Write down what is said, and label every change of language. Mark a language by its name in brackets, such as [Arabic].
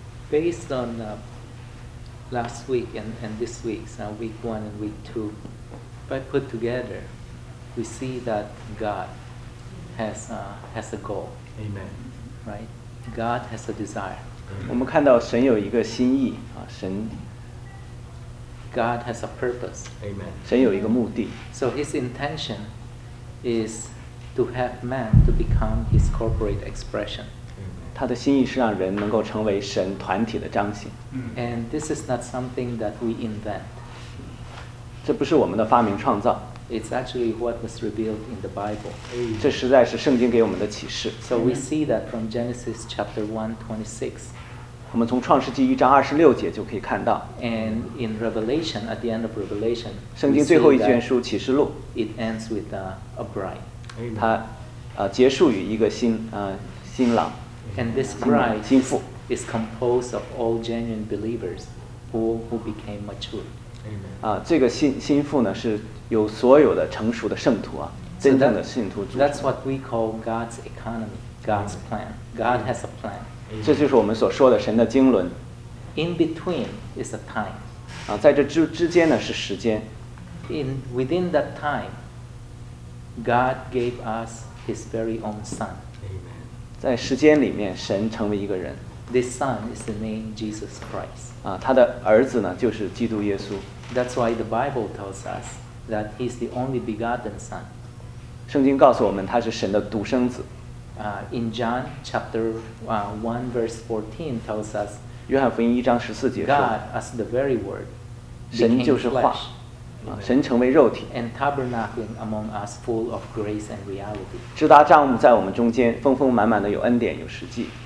[English] Based on last week and this week, so week one and week two, if I put together, we see that God has a goal. Amen. Right? God has a desire. [Chinese] 我们看到神有一个心意啊，神。 [English] God has a purpose. Amen. [Chinese] 神有一个目的。 [English] So His intention is to have man to become His corporate expression. [Chinese] 他的心意是让人能够成为神团体的彰显。 [English] And this is not something that we invent. [Chinese] 这不是我们的发明创造。 [English] It's actually what was revealed in the Bible. [Chinese] 这实在是圣经给我们的启示。 [English] So we see that from Genesis chapter 1:26. [Chinese] 我们从创世纪一章二十六节就可以看到 [English] And in Revelation, at the end of Revelation, [Chinese] 圣经最后一卷书启示录 [English] It ends with a bride [Chinese] 它结束于一个新郎 [English] And this bride is composed of all genuine believers who became mature [Chinese] 这个新妇呢是有所有的成熟的圣徒啊，真正的信徒组成 [English] That's what we call God's economy, God's plan God has a plan [Chinese] 这就是我们所说的神的经纶 [English] In between is a time [Chinese] 在这 之间呢是时间 [English] Within that time God gave us His very own son [Chinese] 在时间里面神成为一个人 [English] This son is the name Jesus Christ [Chinese] 他的儿子呢就是基督耶稣 [English] That's why the Bible tells us that He's the only begotten son [Chinese] 圣经告诉我们他是神的独生子 [English] In John chapter 1 verse 14 tells us [Chinese] 约翰福音一章十四节说 [English] God as the very word [Chinese] 神就是话神成为肉体 [English] And tabernacling among us full of grace and reality [Chinese] 至达帐幕在我们中间丰丰满满的有恩典有实际